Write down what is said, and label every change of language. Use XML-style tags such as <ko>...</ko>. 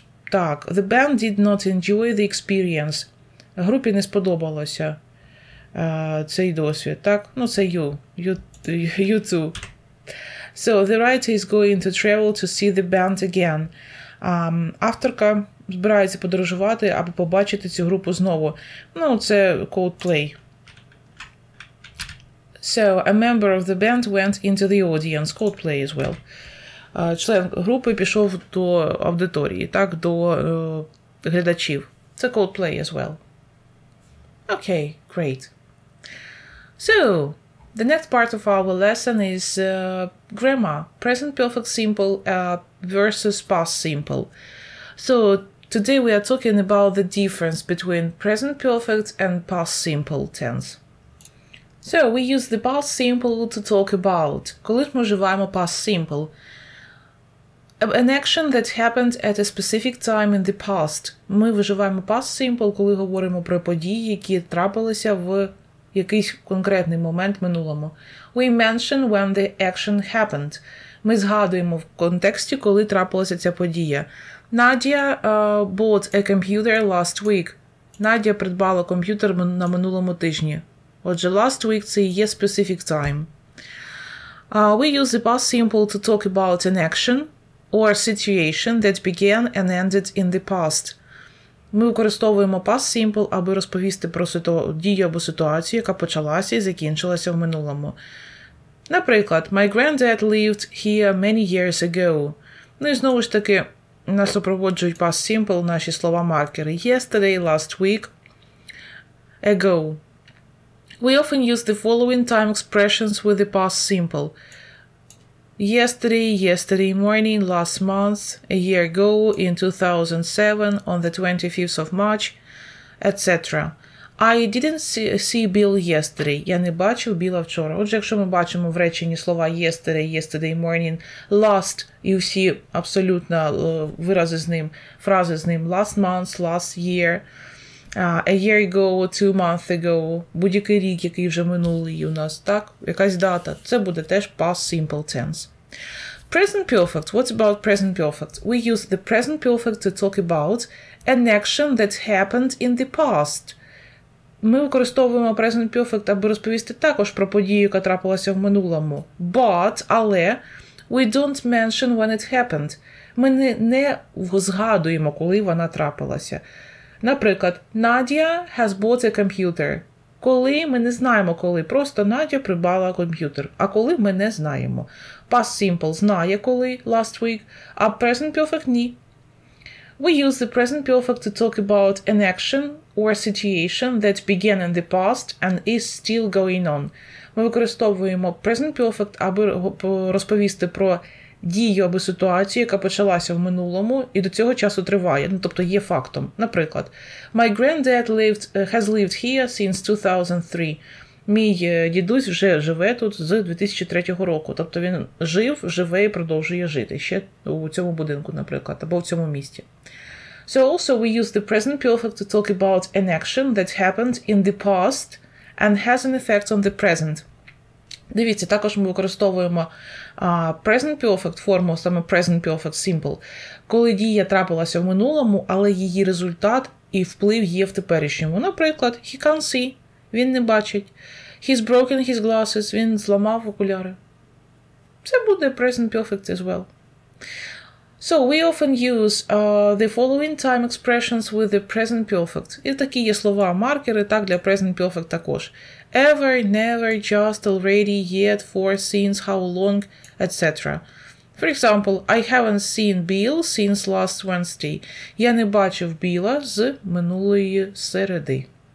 <en>Так, the band did not enjoy the experience.</en> <uk>Групі не сподобалося цей досвід, так? Ну, це</uk> <en>you too. So, the writer is going to travel to see the band again.</en> <uk>Авторка збирається подорожувати, аби побачити цю групу знову. Ну, це Coldplay.</uk> <en>So, a member of the band went into the audience. Coldplay as well.</en> <uk>Член групи пішов до аудиторії, так, до глядачів. Це</uk> <en>Coldplay as well. Okay, great. So, the next part of our lesson is grammar. Present perfect simple versus past simple. So, today we are talking about the difference between present perfect and past simple tense. So, we use the past simple to talk about.</en> <uk>Коли ж ми вживаємо past simple?</uk> <en>An action that happened at a specific time in the past.</en> <uk>Ми вживаємо past simple, коли говоримо про події, які трапилися в якийсь конкретний момент минулому.</uk> <en>We mention when the action happened.</en> <uk>Ми згадуємо в контексті, коли трапилася ця подія.</uk> <en>Надія bought a computer last week.</en> <uk>Надія придбала комп'ютер на минулому тижні. Отже, last week – це є</uk> <en>specific time. We use the past simple to talk about an action or situation that began and ended in the past.</en> <uk>Ми використовуємо past simple, аби розповісти про дію або ситуацію, яка почалася і закінчилася в минулому.</uk> <en>Наприклад, my granddad lived here many years ago.</en> <uk>Ну і знову ж таки, нас супроводжують past simple наші слова-маркери.</uk> <en>Yesterday, last week, ago. We often use the following time expressions with the past simple. Yesterday, yesterday morning, last month, a year ago, in 2007, on the 25th of March, etc. I didn't see Bill yesterday.</en> <uk>Я не бачив Біла вчора. Отже, якщо ми бачимо в реченні слова yesterday, yesterday morning, last, і всі абсолютно вирази з ним, фрази з ним,</uk> <en>last month, last year, a year ago, 2 months ago,</en> <uk>будь-який рік, який вже минулий у нас, так, якась дата, це буде теж past simple tense. Present perfect.</uk> <en>What about present perfect? We use the present perfect to talk about an action that happened in the past.</en> <uk>Ми використовуємо present perfect, аби розповісти також про подію, яка трапилася в минулому.</uk> <en>But, але, we don't mention when it happened.</en> <uk>Ми не згадуємо, коли вона трапилася. Наприклад, Надія</uk> <en>has bought a computer.</en> <uk>Коли? Ми не знаємо, коли. Просто Надія придбала комп'ютер. А коли? Ми не знаємо. Past simple знає, коли, last week, а present perfect – ні.</uk> <en>We use the present perfect to talk about an action or situation that began in the past and is still going on.</en> <uk>Ми використовуємо present perfect, аби розповісти про дію або ситуацію, яка почалася в минулому і до цього часу триває, ну, тобто є фактом.</uk> <en>Наприклад, my granddad has lived here since 2003.</en> <uk>Мій дідусь вже живе тут з 2003 року. Тобто він жив, живе і продовжує жити ще у цьому будинку, наприклад, або в цьому місті.</uk> <en>So also we use the present perfect to talk about an action that happened in the past and has an effect on the present.</en> <uk>Дивіться, також ми використовуємо present perfect, форму саме present perfect simple, коли дія трапилася в минулому, але її результат і вплив є в теперішньому.</uk> <en>Наприклад, he can't see,</en> <uk>він не бачить,</uk> <en>he's broken his glasses,</en> <uk>він зламав окуляри. Це буде present perfect as well.</uk> <en>So, we often use the following time expressions with the present perfect.</en> <uk>І такі є слова, маркери, так, для present perfect також.</uk> <en>Ever, never, just, already, yet, for, since, how long, etc. For example, I haven't seen Bill since last Wednesday.</en> <uk>Я не бачив Біла з минулої середи.</uk>